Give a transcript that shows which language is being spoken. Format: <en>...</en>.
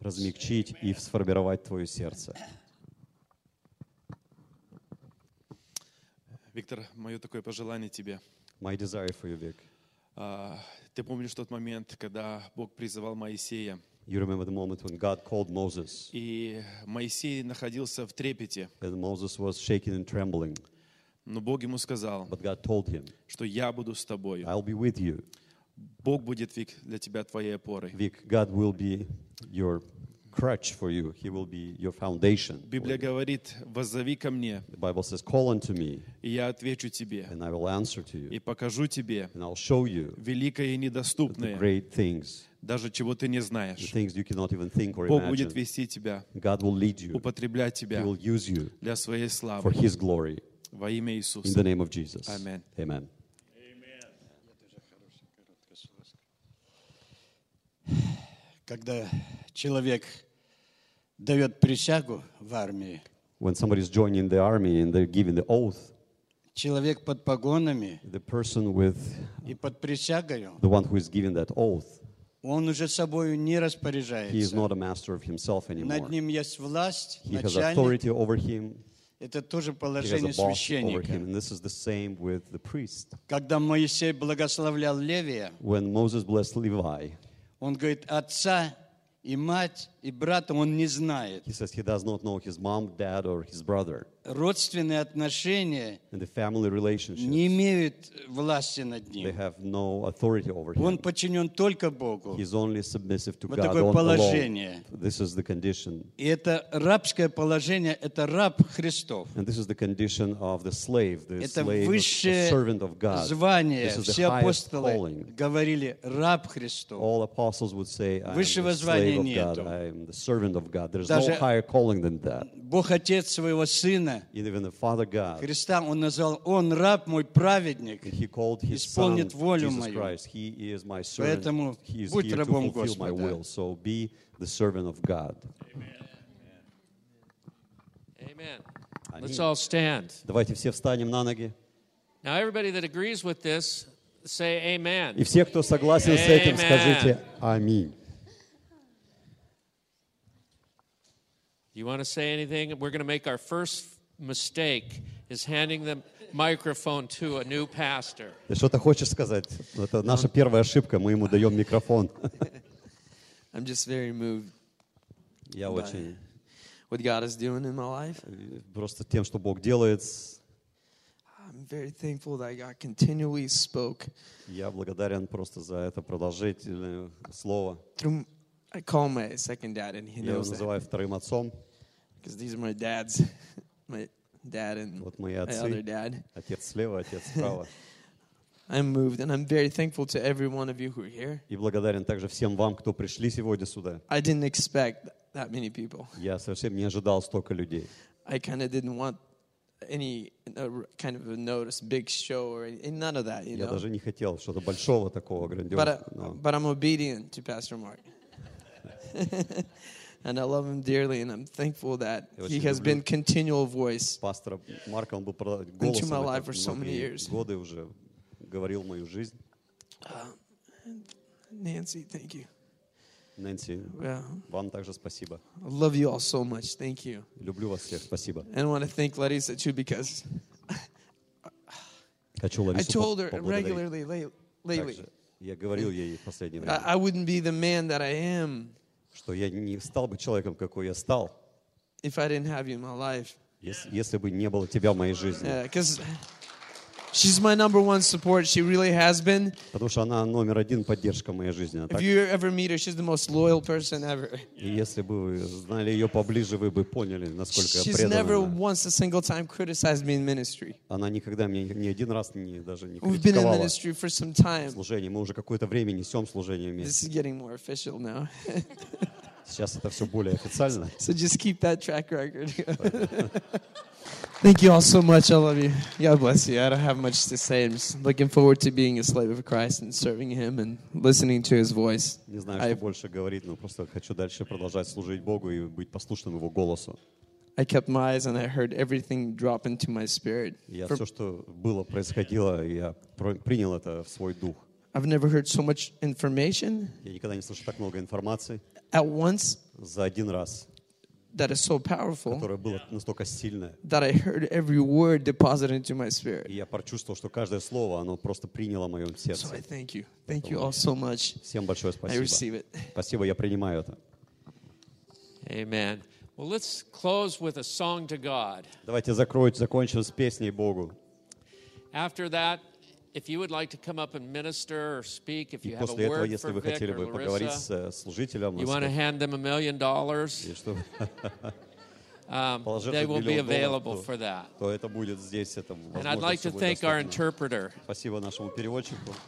<ru>Размягчить Amen. И сформировать твое сердце. Виктор, мое такое пожелание тебе.</ru> <en>My desire for you, Vic.</en> <ru>Ты помнишь тот момент, когда Бог призывал Моисея?</ru> <en>You remember the moment when God called Moses.</en> <ru>И Моисей находился в трепете.</ru> <en>And Moses was shaking and trembling.</en> <ru>Но Бог ему сказал,</ru> <en>But God told him,</en> <ru>что я буду с тобой.</ru> <en>I'll be with you.</en> <ru>Бог будет, Вик, для тебя твоей опорой.</ru> <en>Vic, God will be your crutch for you. He will be your foundation.</en> <ru>Библия говорит, воззови ко мне.</ru> <en>The Bible says, call unto me.</en> <ru>И я отвечу тебе.</ru> <en>And I will answer to you.</en> <ru>И покажу тебе.</ru> <en>And I'll show you.</en> <ru>Великое и недоступное.</ru> <en>The great things.</en> <ru>Даже чего ты не знаешь.</ru> <en>The things you cannot even think or</en> <ru>Бог Бог будет вести тебя.</ru> <en>God will lead you.</en> <ru>Употреблять тебя.</ru> <en>He will use you.</en> <ru>Для своей славы.</ru> <en>For His glory.</en> <ru>Во имя Иисуса.</ru> <en>In the name of Jesus. Amen. Amen.</en> <ru>Когда человек дает присягу в армии.</ru> <en>When somebody is joining the army and they're giving the oath.</en> <ru>Человек под погонами.</ru> <en>The person with.</en> <ru>И под присягою.</ru> <en>The one who is giving that oath.</en> <ru>Он уже собою не распоряжается.</ru> <en>He is not a master of himself anymore.</en> <ru>Над ним есть власть.</ru> <en>He has authority over him.</en> <ru>Это тоже положение священника.</ru> <en>And this is the same with the priest.</en> <ru>Когда Моисей благословлял Левия.</ru> <en>When Moses blessed Levi.</en> <ru>Он говорит отца. И мать, и брата он не знает.</ru> <en>He says he does not know his mom, dad, or his brother.</en> <ru>Родственные отношения</ru> <en>and the family relationships,</en> <ru>не имеют власти над ним.</ru> <en>They have no authority over him.</en> <ru>Он подчинен только Богу.</ru> <en>He's only submissive to</en> <ru>вот</ru> <en>God</en> <ru>такое положение.</ru> <en>Alone. This is the condition.</en> <ru>И это рабское положение, это раб Христов.</ru> <en>And this is the condition of the slave, the</en> <ru>это</ru> <en>slave,</en> <ru>высшее</ru> <en>the servant of God.</en> <ru>Звание, все апостолы calling. Говорили, раб Христов.</ru> <en>All apostles would say,</en> <ru>высшего звания нету.</ru> <en>I am the servant of God. There's no higher calling than that.</en> <ru>Бог отец своего сына.</ru> <en>Even the Father God.</en> <ru>Христа он назвал, он раб мой праведник.</ru> <en>He called his son, Jesus Christ. He is my servant.</en> <ru>Поэтому</ru> <en>he is</en> <ru>будь</ru> <en>here</en> <ru>рабом</ru> <en>to fulfill</en> <ru>Господа.</ru> <en>My will. So be the servant of God. Amen. Amen. Let's all stand.</en> <ru>Давайте все встанем на ноги.</ru> <en>Now everybody that agrees with this, say Amen.</en> <ru>И все, кто согласен с этим, скажите Аминь.</ru> <en>You want to say anything? We're going to make our first mistake is handing the microphone to a new pastor.</en> <ru>Ты что-то хочешь сказать? Это наша первая ошибка, мы ему даем микрофон.</ru> <en>I'm just very moved.</en> <ru>Я очень.</ru> <en>What God is doing in my life?</en> <ru>Просто тем, что Бог делает.</ru> <en>I'm very thankful that God continually spoke.</en> <ru>Я благодарен просто за это продолжительное слово.</ru> <en>I call my second dad and he knows.</en> <ru>Я называю вторым отцом.</ru> <en>Because these are my dads, my dad and</en> <ru>вот мои отцы,</ru> <en>my other dad.</en> <ru>Отец слева, отец справа.</ru> <en>I'm moved and I'm very thankful to every one of you who are here.</en> <ru>И благодарен также всем вам, кто пришли сегодня сюда.</ru> <en>I didn't expect that many people.</en> <ru>Я совсем не ожидал столько людей.</ru> <en>I kind of didn't want any kind of a notice, big show or any, none of that, you</en> <ru>я</ru> <en>know.</en> <ru>Я даже не хотел что-то большого такого, грандиозного.</ru> <en>But I'm obedient to Pastor Mark. And I love him dearly, and I'm thankful that he has been continual voice</en> <ru>Пастора Марка, он был</ru> <en>into my life for so many years.</en> <ru>Годы уже говорил мою жизнь.</ru> <en>Nancy, thank you.</en> <ru>Nancy, well, вам также спасибо.</ru> <en>I love you all so much. Thank you.</en> <ru>Люблю вас всех, спасибо.</ru> <en>And I want to thank Larissa too because</en> <ru>хочу Ларису</ru> <en>I told her regularly lately.</en> <ru>Также я говорил ей в последнее время.</ru> <en>I wouldn't be the man that I am.</en> <ru>Что я не стал бы человеком, какой я стал,</ru> <en>if I didn't have you in my life.</en> <ru>Если бы не было тебя в моей жизни.</ru> <en>Yeah, She's my number one support. She really has been.</en> <ru>Потому что она номер один поддержка моей жизни.</ru> <en>If you ever meet her, she's the most loyal person ever.</en> <ru>И если бы вы знали ее поближе, вы бы поняли, насколько я преданная.</ru> <en>She's never once a single time criticized me in ministry.</en> <ru>Она никогда мне ни один раз не даже не критиковала.</ru> <en>We've been in ministry for some time.</en> <ru>Служение. Мы уже какое-то время несем служение вместе.</ru> <en>This is getting more official now.</en> <ru>Сейчас это все более официально.</ru> <en>So just keep that track record. Thank you all so much. I love you. God bless you. I don't have much to say. I'm just looking forward to being a slave of Christ and serving Him and listening to His voice.</en> <ru>Не знаю, что больше говорить, но просто хочу дальше продолжать служить Богу и быть послушным Его голосу.</ru> <en>I kept my eyes and I heard everything drop into my spirit.</en> <ru>Я все, что было происходило, я принял это в свой дух.</ru> <en>I've never heard so much information.</en> <ru>Я никогда не слышал так много информации.</ru> <en>At once.</en> <ru>За один раз.</ru> <en>That is so powerful.</en> <ru>Которое было настолько сильное.</ru> <en>That I heard every word deposited into my spirit.</en> <ru>И я прочувствовал, что каждое слово, оно просто приняло моё сердце.</ru> <en>So I thank you. Thank you all so much.</en> <ru>Всем большое спасибо.</ru> <en>I receive it.</en> <ru>Спасибо, я принимаю это.</ru> <en>Amen. Well, let's close with a song to God.</en> <ru>Давайте закончим с песней Богу.</ru> <en>After that, if you would like to come up and minister or speak, if you have a word for Vic or Larissa,</en> <ru>если вы хотели бы поговорить с служителем,</ru> <en>you want to hand them $1 million, they will be available for that.</en> <ru>То это будет здесь, это возможно.</ru> <en>And I'd like to thank our interpreter.</en> <ru>Спасибо нашему переводчику.</ru>